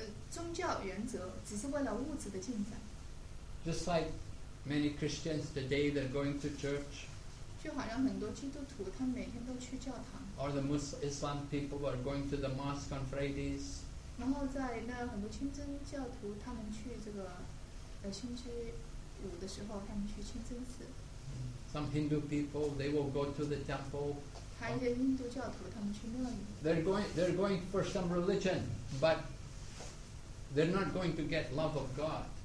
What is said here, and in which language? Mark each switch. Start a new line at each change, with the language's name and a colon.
Chinese: 宗教原则只是为了物质的进展。
English: Just like many Christians today, they're going to church.
Chinese: 就好像很多基督徒，他们每天都去教堂。
English: Or the Islam people are going to the mosque on Fridays.
Chinese: 然后在那很多清真教徒，他们去这个星期五的时候，他们去清真寺。
English: Some Hindu people they will go to the temple.
Chinese: 还有一些印度教徒，他们去那里。
English: They're going for some religion, but They're not going to get love of God.